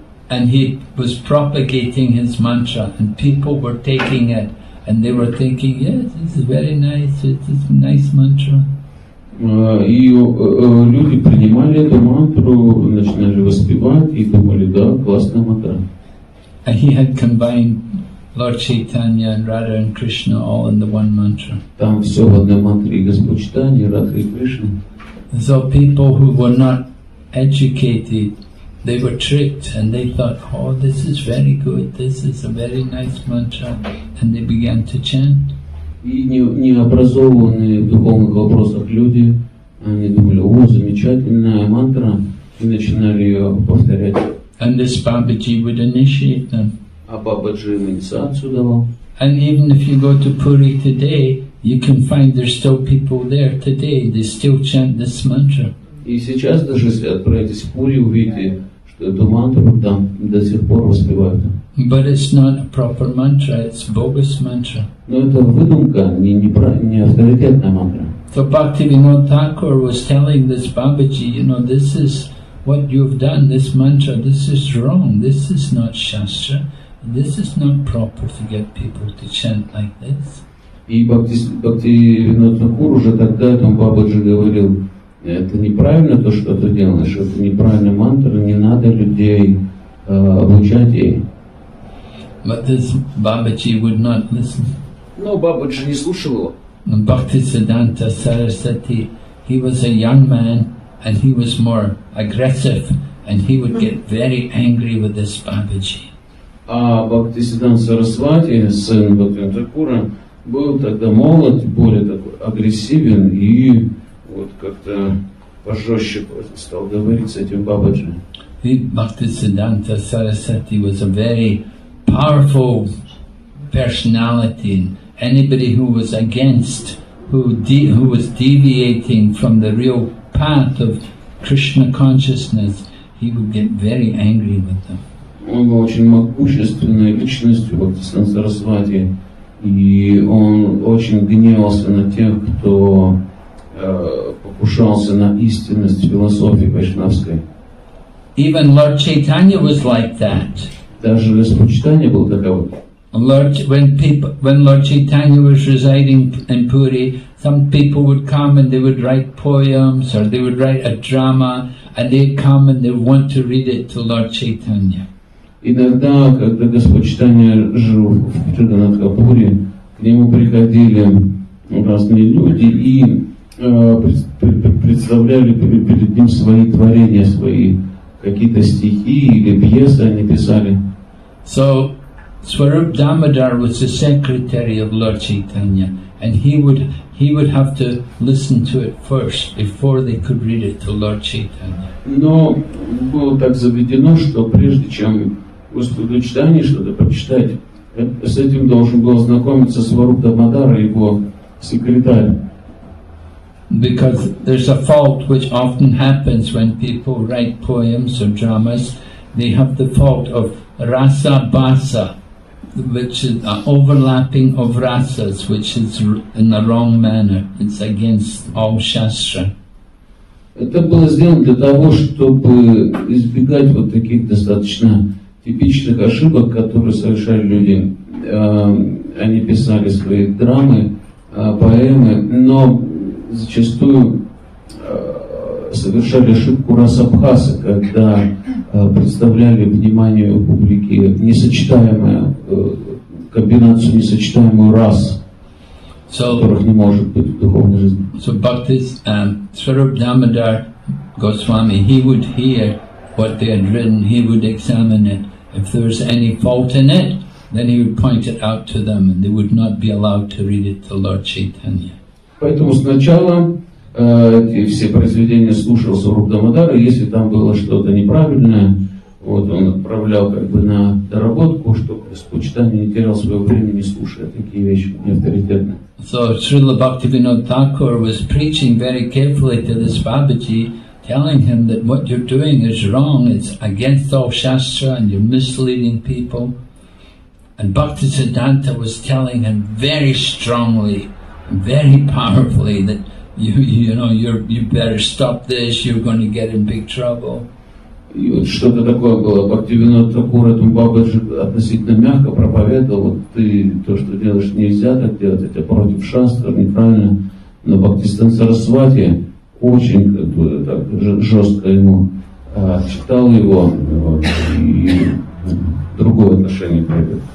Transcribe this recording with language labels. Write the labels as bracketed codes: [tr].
[en] And he was propagating his mantra, and people were taking it, and they were thinking, yes, this is very nice, it's a nice mantra. [ru] Люди принимали эту мантру, начинали воспевать и думали, да, классная мантра. [en] And he had combined Lord Chaitanya and Radha and Krishna all in the one mantra. [ru] Там все в одной мантре, Господь Читания, Радха и Кришна. [en] So people who were not educated, they were tricked and they thought, oh, this is very good, this is a very nice mantra, and they began to chant. [ru] И необразованные в духовных вопросах люди, они думали, о, замечательная мантра, и начинали ее повторять. [en] And this Babaji would initiate them. [ru] А Бабаджи инициацию давал. [en] And even if you go to Puri today, you can find there's still people there today. They still chant this mantra. [ru] И сейчас даже если отправитесь в Пури, увидите, что эту мантру там до сих пор воспевают. [en] But it's not a proper mantra. It's bogus mantra. [ru] Но это выдумка, не авторитетная мантра. [en] So Bhaktivinod Thakur was telling this Babaji, you know, this is. What you've done, this mantra, this is wrong. This is not shastra. This is not proper to get people to chant like this. [ru] И Бхактивинод Такур уже тогда этому Бабаджи говорил, это неправильно то, что ты делаешь. Это неправильная мантра. Не надо людей обучать ей. [en] But this Бабаджи would not listen. [ru] Но Бабаджи не слушал его. [en] Бхактисиддханта Сарасвати, he was a young man. And he was more aggressive, and he would get very angry with this Babaji. [ru] А Бхактисиддханта Сарасвати, сын Бхактивинода Такура, был тогда молод, более такой агрессивен, и вот как-то пожестче стал говорить с этим Бабаджи. [en] Бхактисиддханта Сарасвати was a very powerful personality. Anybody who was against, who was deviating from the real path of Krishna consciousness, he would get very angry with them. [ru] Он был очень могущественной личностью, Бхактисиддханта Сарасвати, и он очень гневался на тех, кто покушался на истинность философии вайшнавской. [en] Even Lord Chaitanya was like that. [ru] Даже Господь Читания был таковым. [en] When Lord Chaitanya was residing in Puri, some people would come and they would write poems or they would write a drama, and they'd come and they'd want to read it to Lord Chaitanya. [ru] Иногда, когда Господь Читания жил в Чуданатхапуре, к нему приходили разные люди и представляли перед ним свои творения, свои какие-то стихи или пьесы они писали. [en] So Swarup Damodar was the secretary of Lord Chaitanya, and he would have to listen to it first before they could read it to Lord Chaitanya. [ru] Но было так заведено, что прежде чем Господу Читанию что-то прочитать, с этим должен был ознакомиться Сварупа Дамодара, его секретарь. [en] Because there's a fault which often happens when people write poems or dramas, they have the fault of rasa basa. Which is an overlapping of rasas, which is in the wrong manner. It's against all shastra. [ru] Это было сделано для того, чтобы избегать вот таких достаточно типичных ошибок, которые совершали люди. Они писали свои драмы, поэмы, но зачастую совершали ошибку расабхаса, когда представляли внимание публики несочетаемое. Комбинацию несочетаемую рас, которых не может быть в духовной жизни. [en] So Bhaktis, Swarup Damodar Goswami, he would hear what they had written, he would examine it. If there was any fault in it, then he would point it out to them, and they would not be allowed to read it to Lord Chaitanya. [ru] Поэтому сначала все произведения слушал Сурупа Дамодара, если там было что-то неправильное, вот он отправлял как бы на доработку, чтобы почитание не терял своего времени, слушая такие вещи неавторитетные. [en] So Srila Bhaktivinod Thakur was preaching very carefully to this Babaji, telling him that what you're doing is wrong, it's against all Shastra and you're misleading people. And Bhaktisiddhanta was telling him very strongly, very powerfully that you better stop this, you're going to get in big trouble. [ru] И вот что-то такое было. Бхактивинод Такур этому Бабаджи относительно мягко проповедовал, вот ты то, что делаешь, нельзя так делать, это против шастра, неправильно. Но Бхактисиддханта Сарасвати очень как бы так жестко ему читал его, и другое отношение проявил.